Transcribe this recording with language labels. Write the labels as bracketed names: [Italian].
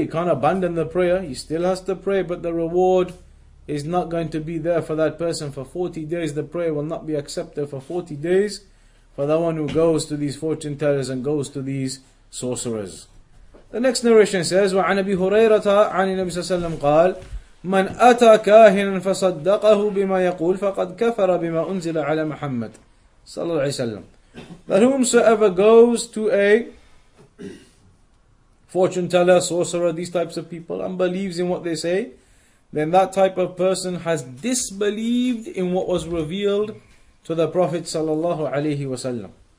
[English] He can't abandon the prayer. He still has to pray. But the reward is not going to be there for that person for 40 days. The prayer will not be accepted for 40 days for the one who goes to these fortune tellers and goes to these sorcerers. The next narration says, [Arabic] وَعَنَ أَبِي هُرَيْرَةَ عَنِ النَّبِيِّ صَلَّى اللَّهُ عَلَيْهِ وَسَلَّمَ قَالَ من أتى كاهنا فصدقه بما يقول فقد كفر بما أنزل على محمد صلى الله عليه وسلم. [English] That whomsoever goes to a fortune teller, sorcerer, these types of people, and believes in what they say, then that type of person has disbelieved in what was revealed to the Prophet sallallahu alaihi wasallam.